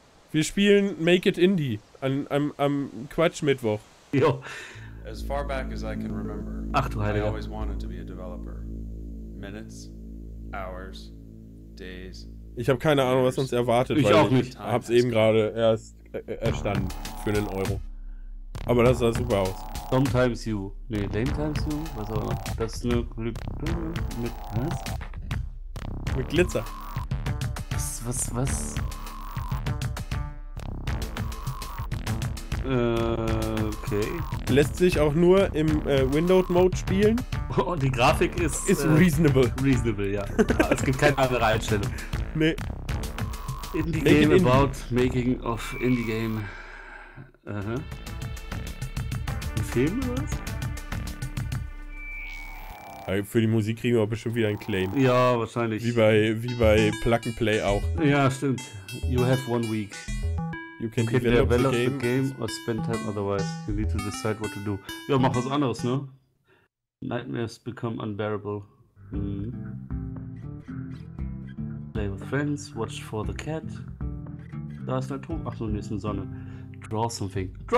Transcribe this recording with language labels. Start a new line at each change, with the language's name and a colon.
German: Wir spielen Make It Indie am Quatschmittwoch. Jo.
English: As far back as I can remember,
German: ach du Heiliger.
English: I always wanted to be a developer. Minutes, hours, days.
German: Ich habe keine Ahnung, was uns erwartet. Ich weil auch nicht. Ich habe es eben gerade erst erstanden für einen Euro. Aber das sah super aus.
English: Sometimes you.
German: Nee,
English: lame times you.
German: Was auch immer. Das ist eine Glücke mit. Was? Mit Glitzer. Was? Okay. Lässt sich auch nur im Windowed-Mode spielen. Und die Grafik ist. Ist reasonable. Reasonable, ja. Es gibt keine andere Einstellung. Nee.
English: Indie-Game about making of Indie-Game.
German: Film oder was? Für die Musik kriegen wir auch bestimmt wieder einen Claim. Ja, wahrscheinlich. Wie bei Plug and Play auch. Ja, stimmt.
English: You have 1 week. You can develop the game or spend time otherwise. You need to decide what to do.
German: Ja, mach was anderes, ne?
English: Nightmares become unbearable. Play with friends, watch for the cat.
German: Da ist ein Turm. Achso, nee, ist eine Sonne.
English: Draw something.